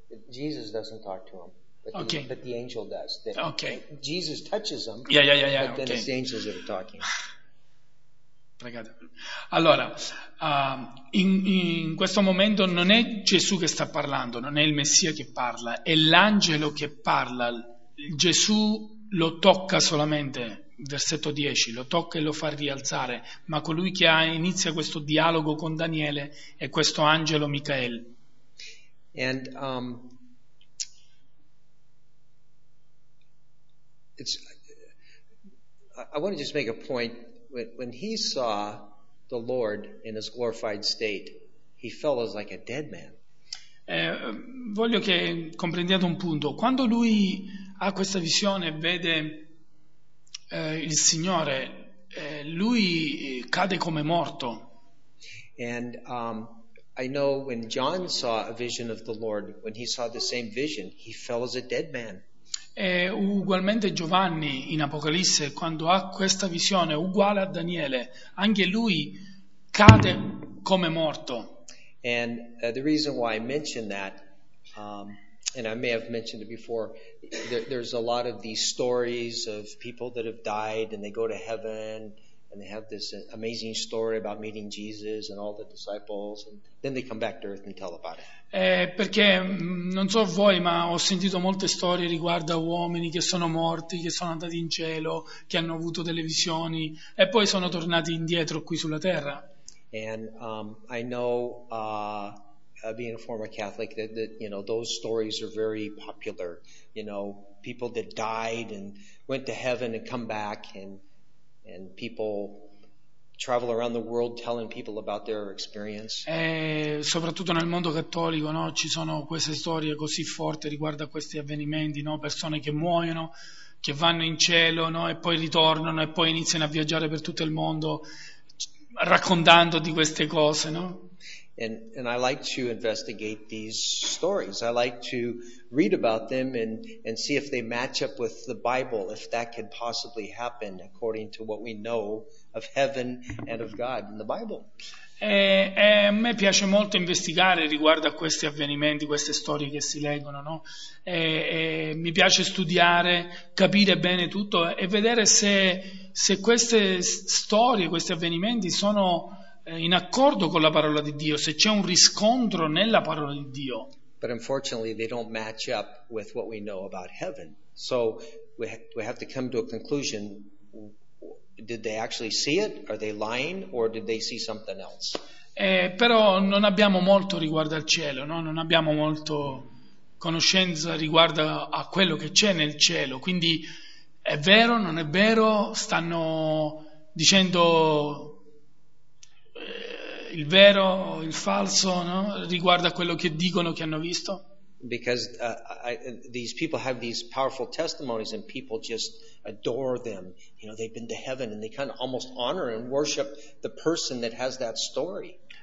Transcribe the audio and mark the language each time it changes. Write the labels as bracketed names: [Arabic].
[English] Jesus doesn't talk to him, but the angel does. Jesus touches him, then it's the angels that are talking. [Italian] Pregate. Allora, in questo momento non è Gesù che sta parlando, non è il Messia che parla, è l'angelo che parla. Gesù lo tocca solamente, versetto 10, lo tocca e lo fa rialzare, ma colui che inizia questo dialogo con Daniele è questo angelo Michael. [English] And I want to just make a point. When he saw the Lord in his glorified state, he fell as like a dead man. [Italian] Voglio che comprendiate un punto. Quando lui ha questa visione, vede il Signore, lui cade come morto. [English] And I know when John saw a vision of the Lord, when he saw the same vision, he fell as a dead man. [Italian] E ugualmente Giovanni in Apocalisse, quando ha questa visione uguale a Daniele, anche lui cade come morto. [English] And the reason why I mention that, and I may have mentioned it before, there's a lot of these stories of people that have died and they go to heaven and they have this amazing story about meeting Jesus and all the disciples, and then they come back to earth and tell about it. [Italian] Perché non so voi, ma ho sentito molte storie riguardo a uomini che sono morti, che sono andati in cielo, che hanno avuto delle visioni e poi sono tornati indietro qui sulla terra. [English] And I know, being a former Catholic, that you know, those stories are very popular. You know, people that died and went to heaven and come back, and people travel around the world telling people about their experience. [Italian] E soprattutto nel mondo cattolico, no, ci sono queste storie così forti riguardo a questi avvenimenti, no, persone che muoiono, che vanno in cielo, no, e poi ritornano e poi iniziano a viaggiare per tutto il mondo raccontando di queste cose, no? [English] And I like to investigate these stories. I like to read about them and see if they match up with the Bible, if that could possibly happen according to what we know of heaven and of God in the Bible. [Italian] E a me piace molto investigare riguardo a questi avvenimenti, queste storie che si leggono, no? E mi piace studiare, capire bene tutto e vedere se queste storie, questi avvenimenti sono in accordo con la parola di Dio, se c'è un riscontro nella parola di Dio. [English] But unfortunately they don't match up with what we know about heaven. So we have to come to a conclusion. Did they actually see it? Are they lying, or did they see something else? [Italian] Però non abbiamo molto riguardo al cielo, no? Non abbiamo molto conoscenza riguardo a quello che c'è nel cielo. Quindi è vero, non è vero? Stanno dicendo il vero, il falso, no? Riguardo a quello che dicono che hanno visto? [English] Because these people have these powerful testimonies and people just adore them. You know, they've been to heaven and they kind of almost honor and worship the person that has that story.